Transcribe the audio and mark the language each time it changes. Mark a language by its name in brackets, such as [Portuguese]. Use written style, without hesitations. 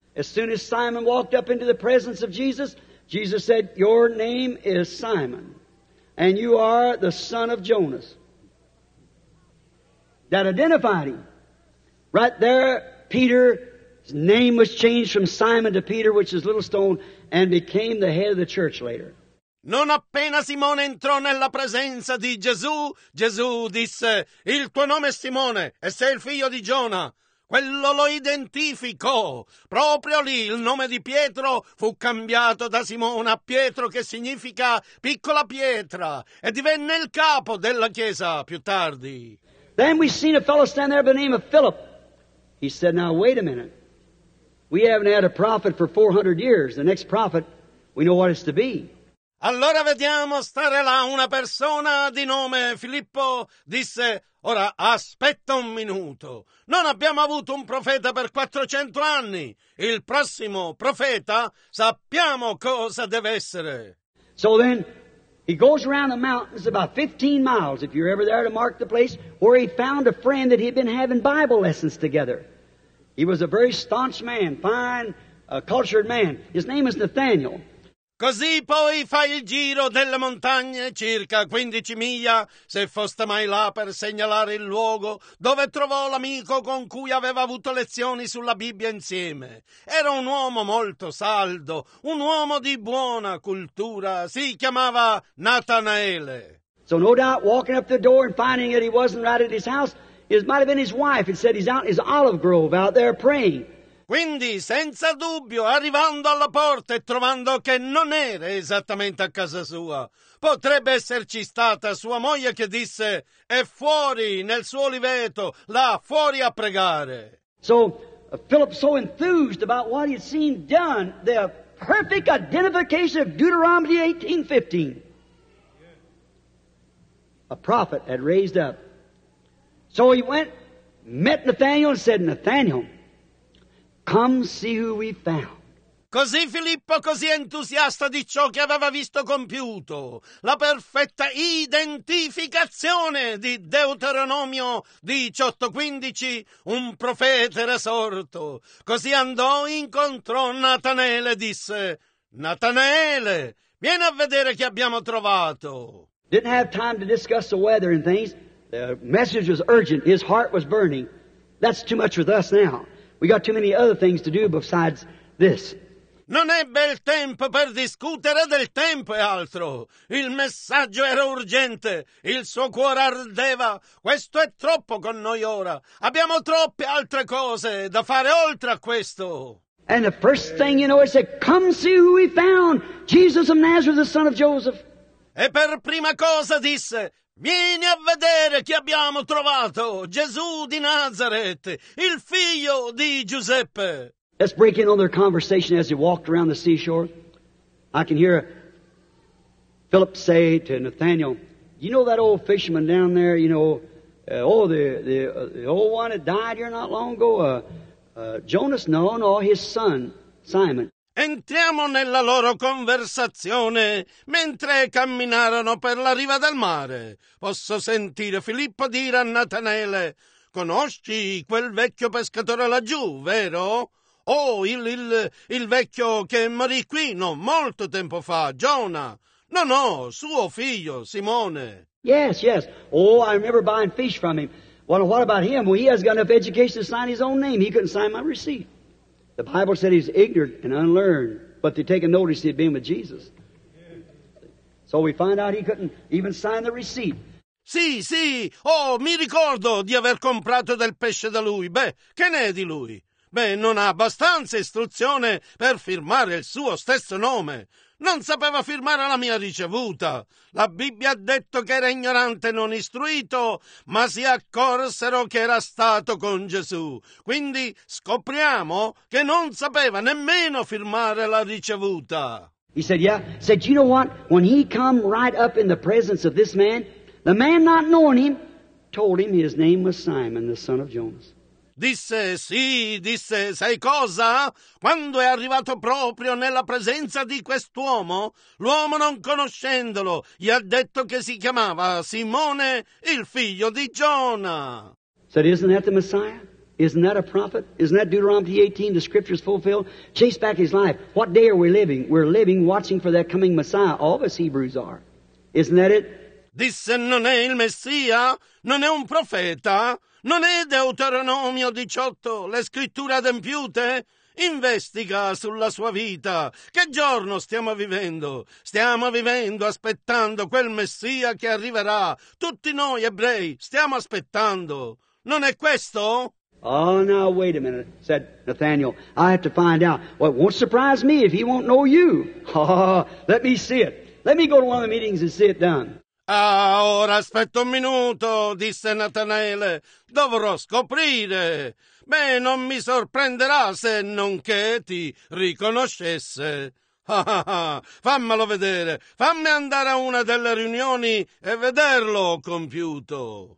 [English] As soon as Simon walked up into the presence of Jesus, Jesus said, your name is Simon, and you are the son of Jonas. That identified him. Right there, Peter's name was changed from Simon to Peter, which is little stone, and became the head of the church later. [Italian] Non appena Simone entrò nella presenza di Gesù, Gesù disse, il tuo nome è Simone, e sei il figlio di Giona. Quello lo identificò. Proprio lì il nome di Pietro fu cambiato da Simone a Pietro, che significa piccola pietra, e divenne il capo della chiesa più tardi. [English] Then we seen a fellow stand there by the name of Philip. He said, now wait a minute. We haven't had a prophet for 400 years. The next prophet, we know what it's to be. [Italian] Allora vediamo stare là una persona di nome Filippo, disse, ora aspetta un minuto. Non abbiamo avuto un profeta per 400 anni. Il prossimo profeta sappiamo cosa deve essere. [English] So then, he goes around the mountains about 15 miles, if you're ever there, to mark the place, where he found a friend that he'd been having Bible lessons together. He was a very staunch man, fine, cultured man. His name is Nathaniel. [Italian] Così poi fa il giro delle montagne, circa 15 miglia, se foste mai là per segnalare il luogo, dove trovò l'amico con cui aveva avuto lezioni sulla Bibbia insieme. Era un uomo molto saldo, un uomo di buona cultura, si chiamava Natanaele. [English] So no doubt walking up the door and finding that he wasn't right at his house, it might have been his wife, and said he's out in his olive grove out there praying. [Italian] Quindi, senza dubbio, arrivando alla porta e trovando che non era esattamente a casa sua, potrebbe esserci stata sua moglie che disse, è fuori, nel suo oliveto, là fuori a pregare. [English] So, Philip so enthused about what he'd seen done, the perfect identification of Deuteronomy 18:15. A prophet had raised up. So he went, met Nathaniel and said, Nathaniel, come see who we found. [Italian] Così Filippo, così entusiasta di ciò che aveva visto compiuto, la perfetta identificazione di Deuteronomio 18:15, un profeta era sorto. Così andò, incontrò Natanaele e disse, Natanaele, vieni a vedere che abbiamo trovato. [English] Didn't have time to discuss the weather and things. The message was urgent. His heart was burning. That's too much with us now. We got too many other things to do besides this. [Italian] Non ebbe il tempo per discutere del tempo e altro. Il messaggio era urgente. Il suo cuore ardeva. Questo è troppo con noi ora. Abbiamo troppe altre cose da fare oltre a questo. [English] And the first thing you know, he said, come see who we found. Jesus of Nazareth, the son of Joseph. [Italian] E per prima cosa disse, vieni a vedere chi abbiamo trovato, Gesù di Nazaret, il figlio di Giuseppe. [English] Let's break in on their conversation as they walked around the seashore. I can hear Philip say to Nathaniel, you know that old fisherman down there, you know, the old one that died here not long ago, Jonas? No, his son, Simon. [Italian] Entriamo nella loro conversazione mentre camminarono per la riva del mare. Posso sentire Filippo dire a Natanaele, conosci quel vecchio pescatore laggiù, vero? Il vecchio che morì qui, no, molto tempo fa, Giona. No, suo figlio, Simone. [English] Yes. Oh, I remember buying fish from him. Well, what about him? Well, he has got enough education to sign his own name. He couldn't sign my receipt. The Bible said he's ignorant and unlearned, but they take a notice he'd been with Jesus. So we find out he couldn't even sign the receipt. [Italian] Sì, sì, oh, mi ricordo di aver comprato del pesce da lui. Beh, che ne è di lui? Beh, non ha abbastanza istruzione per firmare il suo stesso nome. Non sapeva firmare la mia ricevuta. La Bibbia ha detto che era ignorante e non istruito, ma si accorsero che era stato con Gesù. Quindi scopriamo che non sapeva nemmeno firmare la ricevuta. [English] He said, yeah. Said, you know what? When he come right up in the presence of this man, the man not knowing him, told him his name was Simon, the son of Jonas. [Italian] Disse, sì, disse, sai cosa? Quando è arrivato proprio nella presenza di quest'uomo, l'uomo non conoscendolo, gli ha detto che si chiamava Simone, il figlio di Giona. [English] Said, isn't that the Messiah? Isn't that a prophet? Isn't that Deuteronomy 18, the scriptures fulfilled? Chase back his life. What day are we living? We're living watching for that coming Messiah. All of us Hebrews are. Isn't that it? [Italian] Disse, non è il Messia? Non è un profeta? Non è Deuteronomio 18, le scritture adempiute? Investiga sulla sua vita. Che giorno stiamo vivendo? Stiamo vivendo aspettando quel Messia che arriverà. Tutti noi ebrei stiamo aspettando. Non è questo? [English] Oh, now, wait a minute, said Nathaniel. I have to find out. Well, it won't surprise me if he won't know you. Let me see it. Let me go to one of the meetings and see it done. [Italian] Ah, ora aspetta un minuto, disse Natanaele. Dovrò scoprire. Beh, non mi sorprenderà se non che ti riconoscesse. Fammelo vedere. Fammi andare a una delle riunioni e vederlo compiuto.